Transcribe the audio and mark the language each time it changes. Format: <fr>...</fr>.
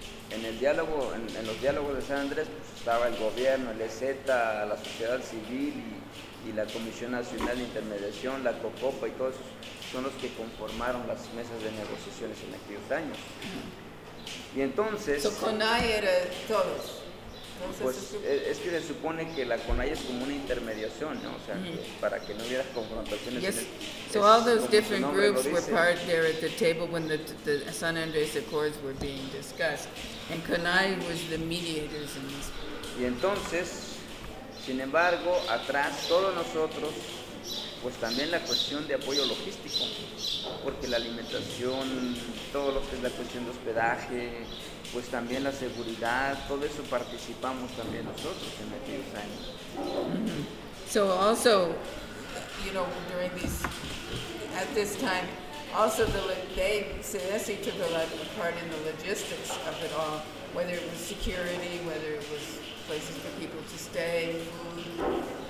<es>En el diálogo, en los diálogos de San Andrés, pues, estaba el gobierno, el EZ, la sociedad civil y la Comisión Nacional de Intermediación, la COCOPA y todos esos, son los que conformaron las mesas de negociaciones en aquellos años. Y entonces, so CONAI era todos. Pues es que se supone que la CONAI es como una intermediación, ¿no? O sea, para que no hubiera confrontaciones.</es> <en>Yes. So all those different groups were part there at the table when the San Andrés Accords were being discussed, and CONAI was the mediators in this.</en> <es>Y entonces, sin embargo, atrás todos nosotros, pues también la cuestión de apoyo logístico, porque la alimentación, todo lo que es la cuestión de hospedaje, pues también la seguridad, todo eso participamos también nosotros en aquellos años.</es> <en>So also, you know, during these, at this time, also they Senesi took a lot of the part in the logistics of it all, whether it was security, whether it was places for people to stay, food.</en>